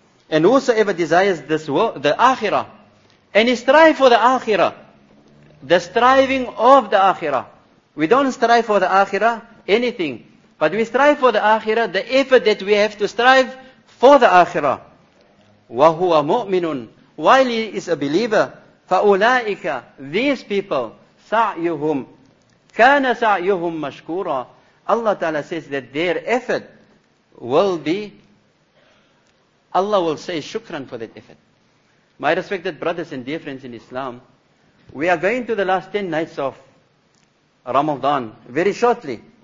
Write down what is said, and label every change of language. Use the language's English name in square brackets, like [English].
[English] And whosoever desires this world, the Akhirah, and he strive for the Akhirah, the striving of the Akhirah. We don't strive for the Akhirah, anything. But we strive for the Akhirah, the effort that we have to strive for the Akhirah. [Arabic] وَهُوَ مُؤْمِنٌ. [English] While he is a believer, [Arabic] فَأُولَٰئِكَ. [English] These people, [Arabic] سَعْيُهُمْ كَانَ سَعْيُهُمْ مَشْكُورًا. [English] Allah Ta'ala says that their effort will be, Allah will say shukran for that effort. My respected brothers and dear friends in Islam, we are going to the last 10 nights of Ramadan very shortly.